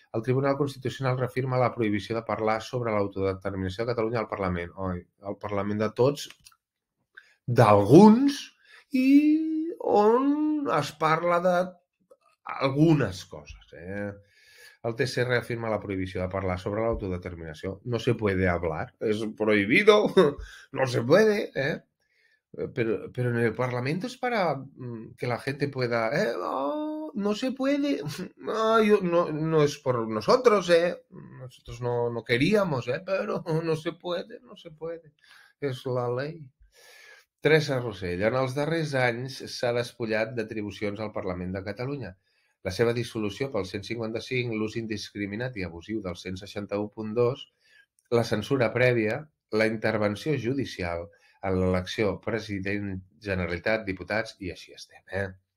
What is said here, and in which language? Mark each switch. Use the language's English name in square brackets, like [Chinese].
[Catalan] El Tribunal Constitucional reafirma la prohibició de parlar sobre l'autodeterminació de Catalunya al Parlament. Oi, al Parlament de tots, d'alguns, i on es parla d'algunes coses, eh? El TC reafirma la prohibició de parlar sobre l'autodeterminació. [Spanish] No se puede hablar, es prohibido, no se puede, eh? Pero en el Parlamento es para que la gente pueda, eh? Oh, no se puede, oh, yo, no, no es por nosotros, eh? Nosotros no queríamos, eh? Pero no se puede, no se puede, es la ley. [Catalan] Teresa Rosell, en els darrers anys s'ha despullat d'atribucions al Parlament de Catalunya. La seva dissolució pel 155, l'ús indiscriminat i abusiu del 161.2, la censura prèvia, la intervenció judicial, en l'elecció president Generalitat, diputats, i així estem, eh?